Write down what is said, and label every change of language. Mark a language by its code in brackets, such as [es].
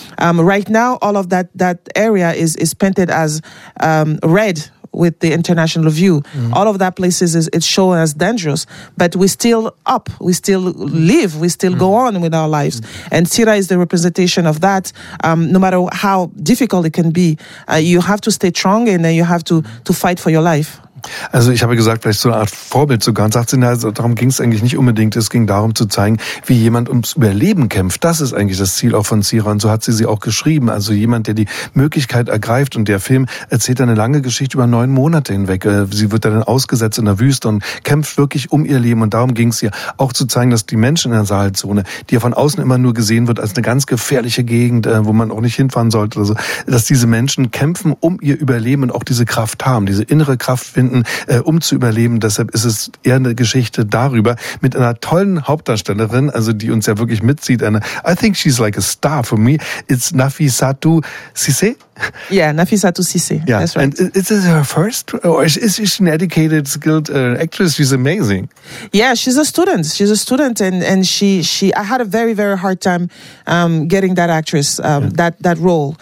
[en] Right now, all of that area is painted as red with the international view. Mm-hmm. All of that places it's shown as dangerous, but we still up, we still live, we still go on with our lives. Mm-hmm. And Sira is the representation of that. No matter how difficult it can be, you have to stay strong, and then you have to fight for your life. [de] Also ich habe gesagt, vielleicht so eine Art Vorbild sogar. Und sagt sie, na, also darum ging es eigentlich nicht unbedingt. Es ging darum zu zeigen, wie jemand ums Überleben kämpft. Das ist eigentlich das Ziel auch von Sira. Und so hat sie auch geschrieben. Also jemand, der die Möglichkeit ergreift. Und der Film erzählt eine lange Geschichte über 9 Monate hinweg. Sie wird dann ausgesetzt in der Wüste und kämpft wirklich um ihr Leben. Und darum ging es ihr auch zu zeigen, dass die Menschen in der Sahelzone, die ja von außen immer nur gesehen wird als eine ganz gefährliche Gegend, wo man auch nicht hinfahren sollte oder so, dass diese Menschen kämpfen um ihr Überleben und auch diese Kraft haben, diese innere Kraft finden, um zu überleben. Deshalb ist es eher eine Geschichte darüber mit einer tollen Hauptdarstellerin, also die uns ja wirklich mitzieht. [en] Eine, I think she's like a star for me. It's Nafissatou Cissé. Yeah, Nafissatou Cissé. Yeah, that's right. And is this her first? Or is she an educated, skilled actress? She's amazing. Yeah, she's a student. She's a student, and she. I had a very, very hard time getting that actress that role.